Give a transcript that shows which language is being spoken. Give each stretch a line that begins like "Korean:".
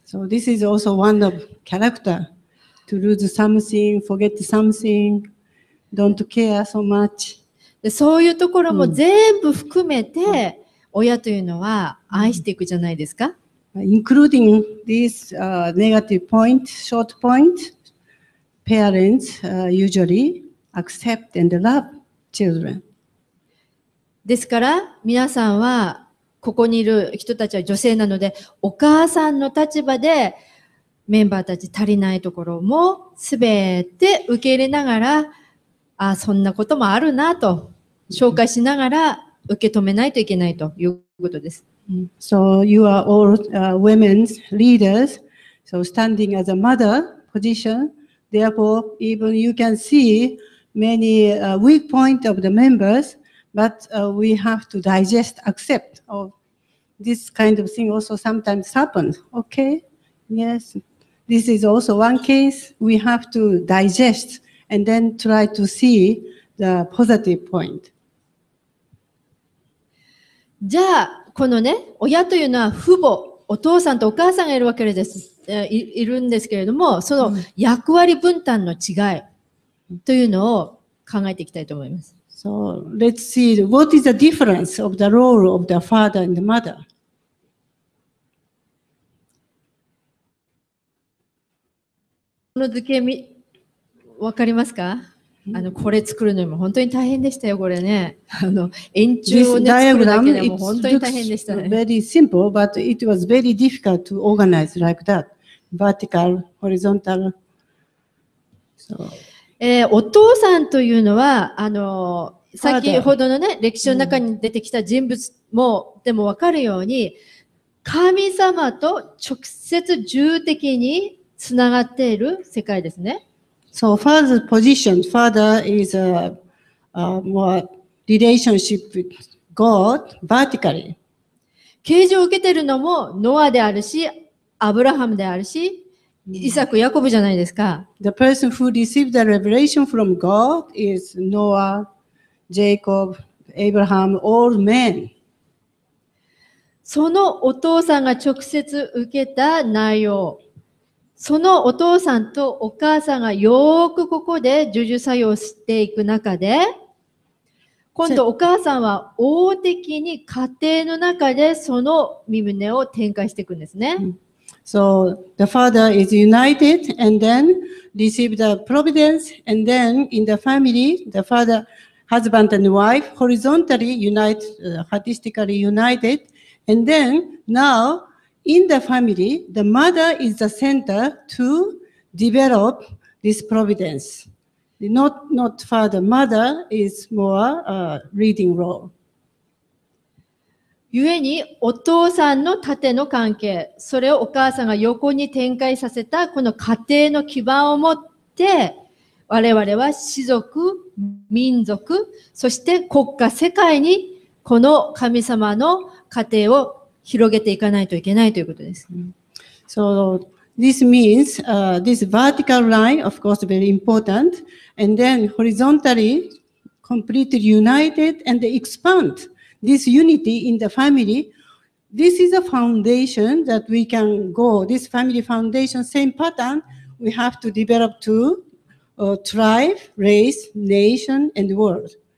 English: So this is also one of character. To lose something, forget something, don't care so much.
Japanese: で、そういうところも全部含めて、親というのは愛していくじゃないですか。
English: Including this negative point, short point, parents usually accept and love children.
Japanese: ですから、皆さんはここにいる人たちは女性なので、お母さんの立場でメンバーたち足りないところもすべて受け入れながら、あ、そんなこともあるなと、紹介しながら受け止めないといけないということです。
English: So you are all women's leaders, so standing as a mother position, therefore even you can see many weak points of the members,But we have to digest, accept. Oh, this kind of thing also sometimes happens. Okay, yes. This is also one case. We have to digest and then try to see the positive point.
Japanese: じゃあ、このね、親というのは父母、お父さんとお母さんがいるわけです。いるんですけれども、その役割分担の違いというのを考えていきたいと思います。
English: So let's see what is the difference of the role of the father and the mother.
Japanese: この図形わかりますか？これ作るのにも本当に大変でしたよ、これね。円柱を、ね、作るだけでも本当に大変でしたね。
English: Very simple, but it was very difficult to organize like that. Vertical, horizontal. So.
Japanese: お父さんというのは先ほどのね、歴史の中に出てきた人物も、でも分かるように、神様と直接重的につながっている世界ですね。
English: So, father's position, father is a more relationship with God vertically.
Japanese: 啓示を受けているのも、ノアであるし、アブラハムであるし、イサク、ヤコブじゃないですか。
English: The person who received the revelation from God is Noah. ジェイコブ、アブラハム、オールメン。
Japanese: そのお父さんが直接受けた内容、そのお父さんとお母さんがよくここで授受作用していく中で、今度お母さんは王的に家庭の中でその身旨を展開していくんですね。
English: So the father is united and then receive the providence and then in the family, the father, husband and wife horizontally unite, artistically united and then now in the family, the mother is the center to develop this providence. Not father, mother is more a leading role.
Japanese: ゆえにお父さんの縦の関係、それをお母さんが横に展開させたこの家庭の基盤を持って、我々は氏族、民族、そして国家、世界にこの神様の家庭を広げていかないといけないということです。
English: So this means, this vertical line, of course, very important. And then horizontally, completely united and expand this unity in the family. This is a foundation that we can go. This family foundation, same pattern we have to develop to tribe, race, nation, and world.